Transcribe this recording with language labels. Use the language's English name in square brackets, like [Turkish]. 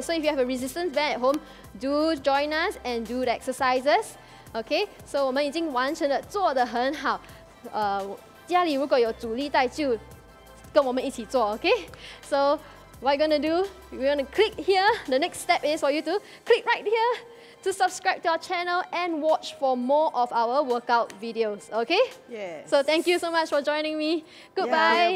[English] So if you have a resistance band at home, do join us and do the exercises. Okay. [Chinese] So 我们已经完成了，做得很好。家里如果有阻力带，就跟我们一起做。 [English] Okay. So. What we're going to do, we're going to click here. The next step is for you to click right here to subscribe to our channel and watch for more of our workout videos. Okay? Yes. So thank you so much for joining me. Goodbye.